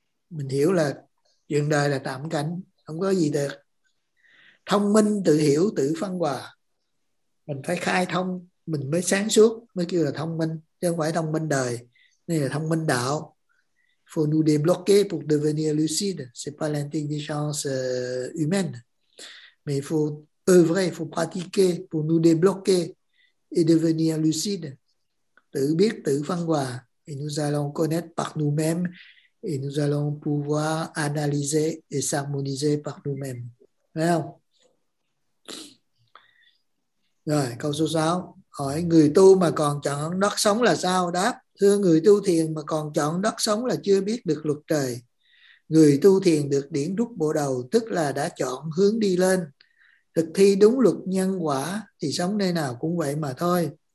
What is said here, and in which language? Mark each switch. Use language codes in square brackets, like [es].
[vi] Mình hiểu là chuyện đời là tạm cảnh, không có gì được. Thông minh tự hiểu tự phân hòa. Mình phải khai thông, mình mới sáng suốt, mới kêu là thông minh, chứ không phải thông minh đời. Nên là thông minh đạo. [fr] Faut nous débloquer pour devenir lucide. C'est pas l'intelligence humaine. Mais faut œuvrer, faut pratiquer pour nous débloquer et devenir lucide. [vi] Tự biết tự phân hòa. [fr] Et nous allons connaître par nous-mêmes. Et nous allons pouvoir analyser et s'harmoniser par nous-mêmes. [vi] Thấy không? Rồi, câu số 6. Hỏi người tu mà còn chọn đất sống là sao? Đáp, thưa người tu thiền mà còn chọn đất sống là chưa biết được luật trời. Người tu thiền được điển rút bộ đầu, tức là đã chọn hướng đi lên. Thực thi đúng luật nhân quả thì sống nơi nào cũng vậy mà thôi.